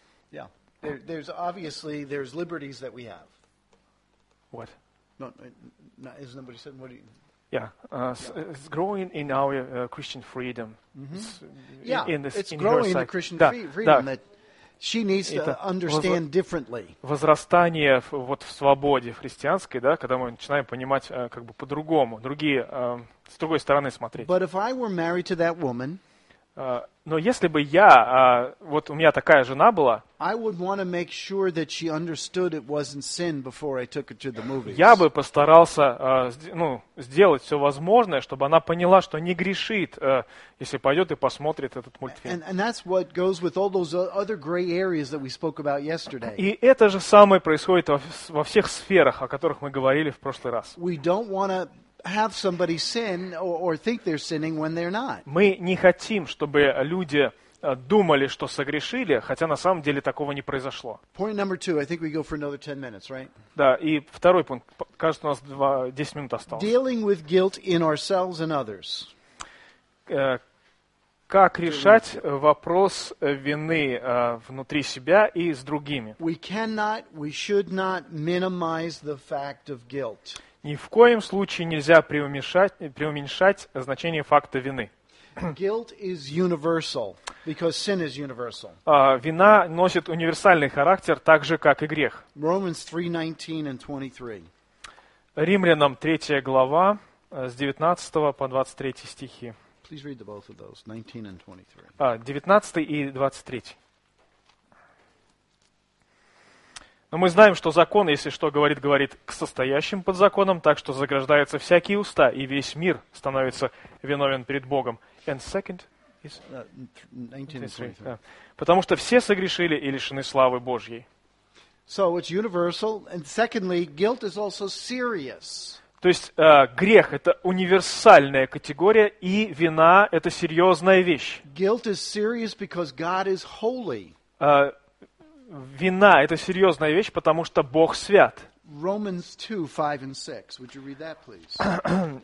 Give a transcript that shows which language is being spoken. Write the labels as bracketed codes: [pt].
[en] Yeah, there's obviously there's liberties that we have. What? Not as nobody said. What do you? Yeah, it's growing in our Christian freedom. It's growing in the Christian freedom that she needs to understand differently. [ru] Возрастание вот в свободе христианской, да, когда мы начинаем понимать как бы по-другому, другие. С другой стороны смотреть. [en] But if I were married to that woman, [ru] но если бы я, вот у меня такая жена была, я бы постарался сделать все возможное, чтобы она поняла, что не грешит, если пойдет и посмотрит этот мультфильм. И это же самое происходит во всех сферах, о которых мы говорили в прошлый раз. [en] Have somebody sin or think they're sinning when they're not. [ru] Мы не хотим, чтобы люди думали, что согрешили, хотя на самом деле такого не произошло. [en] Point number two, I think we go for another 10 minutes, right? [ru] Да, и второй пункт. Кажется, у нас 10 минут осталось. [en] Dealing with guilt in ourselves and others. [ru] Как решать вопрос вины внутри себя и с другими? [en] We cannot, we should not minimize the fact of guilt. [ru] Ни в коем случае нельзя преуменьшать значение факта вины. [en] Guilt is universal, because sin is universal. [ru] Вина носит универсальный характер, так же, как и грех. [en] Romans 3:19 and 23. [ru] Римлянам 3 глава, с 19 по 23 стихи. [en] Please read the both of those, 19 and [ru] 23. 19 и 23. Но мы знаем, что закон, если что говорит к состоящим под законом, так что заграждаются всякие уста, и весь мир становится виновен перед Богом. [en] And second is 19:23. [ru] Потому что все согрешили и лишены славы Божьей. [en] So it's universal, and secondly, guilt is also serious. [ru] То есть грех – это универсальная категория, и вина – это серьезная вещь. [en] Guilt is serious because God is holy. [ru] Вина – это серьезная вещь, потому что Бог свят. [en] Romans 2, 5 and 6. Would you read that, please?